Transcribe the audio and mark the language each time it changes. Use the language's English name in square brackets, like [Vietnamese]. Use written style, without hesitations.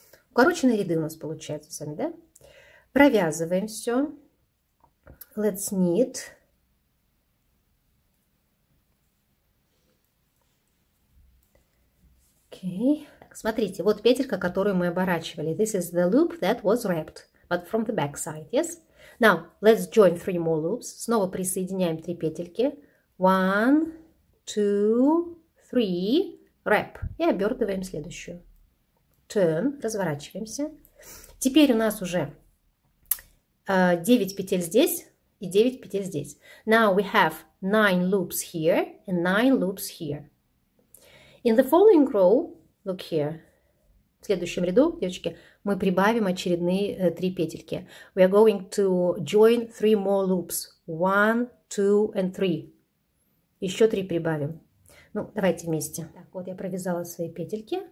[Russian] Укороченные ряды у нас получаются сами, да? Провязываем все. [English] Let's knit. Окей. Okay. [Russian] Смотрите, вот петелька, которую мы оборачивали. [English] This is the loop that was wrapped, but from the back side, yes? Now, let's join 3 more loops. [Russian] Снова присоединяем 3 петельки. 1, 2, 3. [English] Wrap. [Russian] И обертываем следующую. Turn. Разворачиваемся. Теперь у нас уже 9 петель здесь и 9 петель здесь. [English] Now we have 9 loops here and 9 loops here. In the following row, look here. [Russian] В следующем ряду, девочки, мы прибавим очередные 3 петельки. [English] We are going to join 3 more loops. 1, 2 and 3. [Russian] Еще 3 прибавим. Ну, давайте вместе. Так, вот я провязала свои петельки.